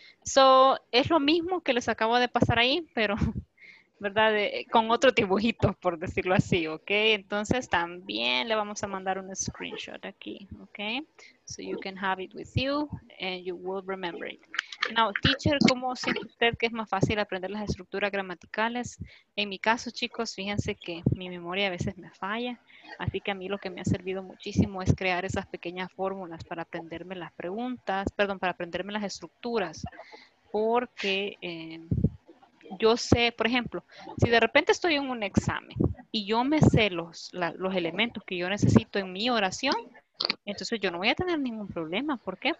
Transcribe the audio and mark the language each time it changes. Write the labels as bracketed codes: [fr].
[es] So, es lo mismo que les acabo de pasar ahí, pero, ¿verdad? Con otro dibujito, por decirlo así, ¿ok? Entonces, también le vamos a mandar un screenshot aquí, ¿ok? [en] So, you can have it with you, and you will remember it. Now, teacher, [es] ¿cómo siente usted que es más fácil aprender las estructuras gramaticales? En mi caso, chicos, fíjense que mi memoria a veces me falla, así que a mí lo que me ha servido muchísimo es crear esas pequeñas fórmulas para aprenderme las preguntas, perdón, para aprenderme las estructuras, porque yo sé, por ejemplo, si de repente estoy en un examen y yo me sé los elementos que yo necesito en mi oración, entonces yo no voy a tener ningún problema. ¿Por qué?